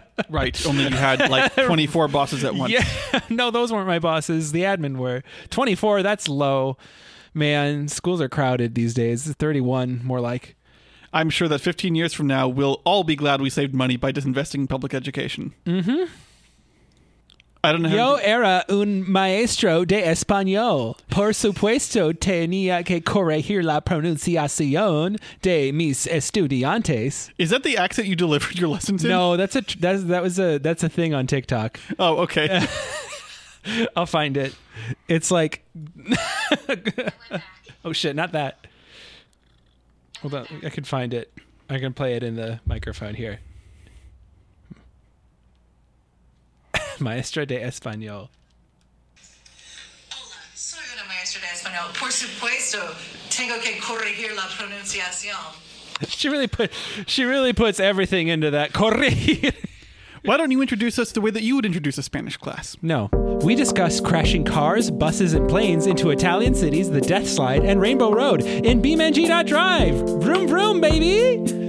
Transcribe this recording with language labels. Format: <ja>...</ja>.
<en>Right, only you had like 24 bosses at once. Yeah, no, those weren't my bosses. The admin were. 24, that's low. Man, schools are crowded these days. 31, more like. I'm sure that 15 years from now, we'll all be glad we saved money by disinvesting in public education. Mm-hmm. I don't know.</en> <es>Yo era un maestro de español. Por supuesto, tenía que corregir la pronunciación de mis estudiantes.</es> <en>Is that the accent you delivered your lessons in? No, that's a thing on TikTok. Oh, okay. I'll find it. It's like, oh shit, not that. Hold on, I can find it. I can play it in the microphone here.</en> <es>Maestra de Español. Hola, soy una maestra de Español. Por supuesto, tengo que corregir la pronunciación.</es> <en>She really puts everything into that.</en> <es>Corregir.</es> <en>Why don't you introduce us the way that you would introduce a Spanish class? No. We discuss crashing cars, buses, and planes into Italian cities, the Death Slide, and Rainbow Road in BeamNG.Drive. Vroom vroom, baby!</en>